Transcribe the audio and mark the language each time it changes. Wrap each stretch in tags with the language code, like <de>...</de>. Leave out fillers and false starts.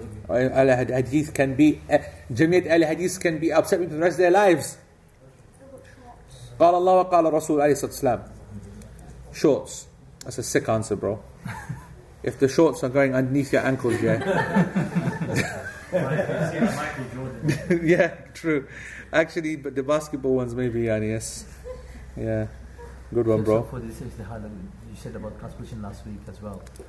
<en>Al-Hadith can be Jamiat Al-Hadith can be upset with the rest of their lives.</en> <ar>قال الله وقال رسول عليه الصلاة والسلام.</ar> <en>Shorts. That's a sick answer, bro. If the shorts are going underneath your ankles, yeah. Yeah, true. Actually, but the basketball ones maybe, yeah, yes. Yeah. Good one, bro. So for this ijtihad, you said about transmission last week as well.</en>